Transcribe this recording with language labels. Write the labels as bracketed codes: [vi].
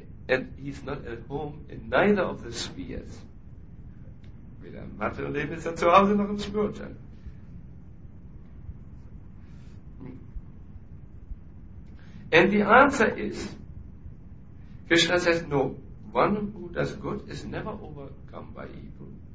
[en] And he's not at home in neither of the spheres. [de] Weder im materiellen Leben ist er zu Hause noch im spirituellen." [en] And the answer is, Krishna says, no, one who does good is never overcome by evil.